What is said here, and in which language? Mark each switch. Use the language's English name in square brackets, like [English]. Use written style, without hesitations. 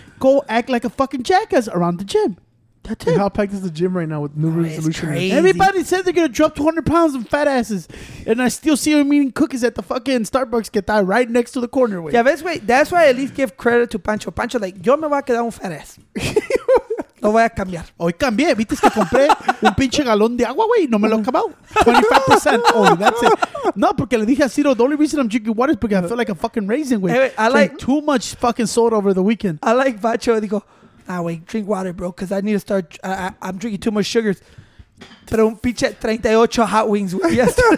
[English] Go act like a fucking jackass around the gym. That's it. How packed is the gym right now with new resolution? Everybody said they're going to drop 200 pounds of fat asses. And I still see them eating cookies at the fucking Starbucks get that right next to the corner. Wait. Yeah, that's why I at least give credit to Pancho. [Spanish] Pancho, like, yo me voy a quedar un fat ass. Lo voy a cambiar. Hoy cambié. Viste que compré un pinche galón de agua, güey. No me lo he acabado. [English] 25%. Oh, that's it. [Spanish] No, porque le dije a Ciro, [English] the only reason I'm drinking water is because I feel like a fucking raisin, güey. Anyway, I like too much fucking soda over the weekend. I like Pancho. [Spanish] Digo, ah, [English] wait, drink water, bro, because I need to start. I'm drinking too much sugars. [Spanish] Pero un pinche [English] 38 hot wings yesterday.